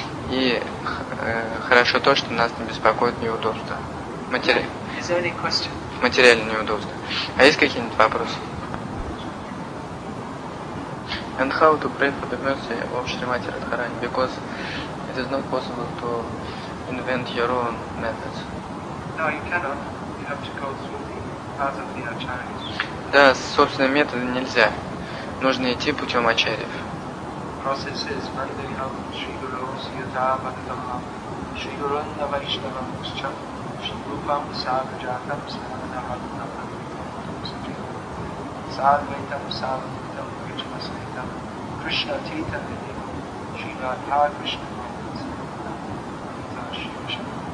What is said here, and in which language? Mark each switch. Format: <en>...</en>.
<ru>И хорошо то, что нас не беспокоит неудобство. Материально неудобство. А есть какие-нибудь вопросы?</ru> <en>And how to pray for the mercy of Shrimati Radharani? Because it is not possible to invent your own methods. No, you cannot. You have to go through the path of the acharyas.</en> <ru>Да, собственные методы нельзя. Нужно идти путем ачарьев. Process is Mandir Hav, Shri Guru, Siddha, Bhagavad, Shri Guru, Navaishnava, Muscha, Shri Rupam, Sadhu, Jatam, Sadhana, Bhagavad, Sadhu, Vaitam, Sadhu, Vaitam, Krishna, Saitam, Krishna, Tita, Vaitam, Shri Radha, Krishna, Vaitam, Shri Krishna,</ru>